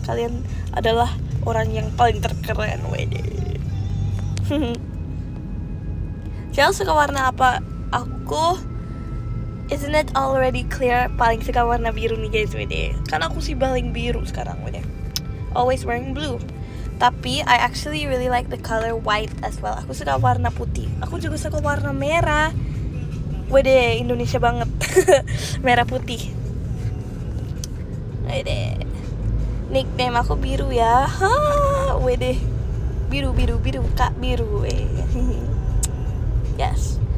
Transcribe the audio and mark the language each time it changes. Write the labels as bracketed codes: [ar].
[id] Kalian adalah orang yang paling terkeren. Wede. Chelsea suka warna apa? Aku [en] isn't it already clear? [id] Paling suka warna biru nih guys. Wede. Kan aku sih paling biru sekarang. [en] Wede. Always wearing blue. [id] Tapi [en] I actually really like the color white as well. [id] Aku suka warna putih. Aku juga suka warna merah. Wede, Indonesia banget. Merah putih. Wede. Nickname aku biru ya. Ha, wede. Biru, biru, biru, Kak biru. [en] Yes.